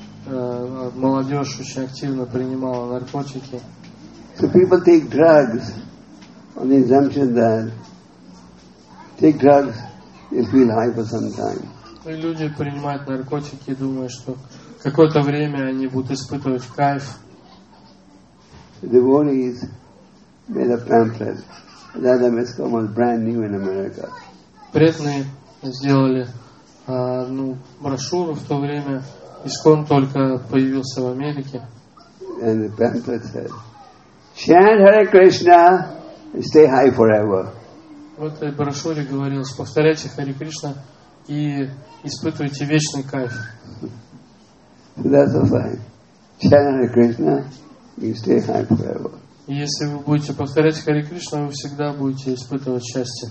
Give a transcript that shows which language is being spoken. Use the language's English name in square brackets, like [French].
[Russian] Молодежь очень активно принимала наркотики. [English] So people take drugs on the assumption that take drugs, you'll feel high for some time. [Russian] И люди принимают наркотики, думая, что какое-то время они будут испытывать кайф. [English] The devotees made a pamphlet. That was almost brand new in America. [Russian] Преданные сделали одну брошюру в то время, Искон только появился в Америке. [English] And the pamphlet said, "Chant Hare Krishna and stay high forever." [Russian] В этой брошюре говорилось, повторяйте Хари Кришна и испытывайте вечный кайф. [English] That's a sign. Chant Hare Krishna, you stay high forever. [Russian] Если вы будете повторять Хари Кришна, вы всегда будете испытывать счастье.